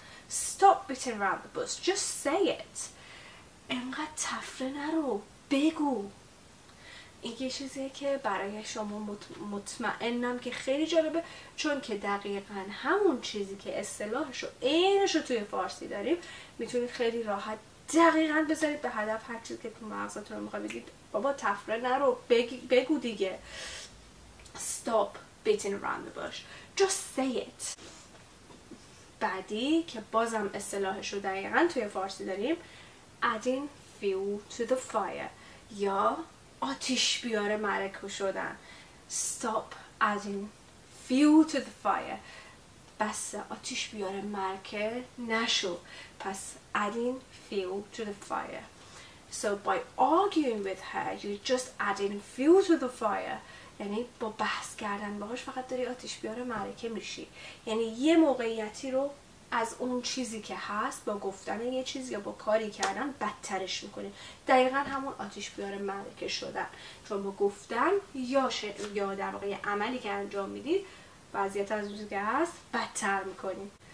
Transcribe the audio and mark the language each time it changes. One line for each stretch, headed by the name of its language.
English: Stop beating around the bush، just say it،
Persian: انقدر تفره نرو، بگو. این یه چیزیه که برای شما مطمئنم که خیلی جالبه، چون که دقیقا همون چیزی که اصطلاحشو عینشو توی فارسی داریم میتونید خیلی راحت دقیقا بذارید به هدف، هر چیزی که تو مغزتون رو میخواه بگید. بابا تفره نرو، بگو دیگه.
English: Stop beating around the bush، just say it.
Persian: بعدی که بازم اصطلاحشو دقیقا توی فارسی داریم،
English: adding fuel to the fire
Persian: یا آتیش بیاره مرکو شدن.
English: Stop adding fuel to the fire،
Persian: بس آتیش بیاره مرکه نشو.
English: پس adding fuel to the fire، so by arguing with her you're just adding fuel to the fire،
Persian: یعنی با بحث کردن باهاش فقط داری آتیش بیاره مرکه میشی. یعنی یه موقعیتی رو از اون چیزی که هست با گفتن یه چیز یا با کاری کردن بدترش میکنی، دقیقا همون آتیش بیاره مرکه شدن، چون با گفتن یا در واقع یه عملی که انجام میدید وضعیت از اون چیزی که هست بدتر میکنی.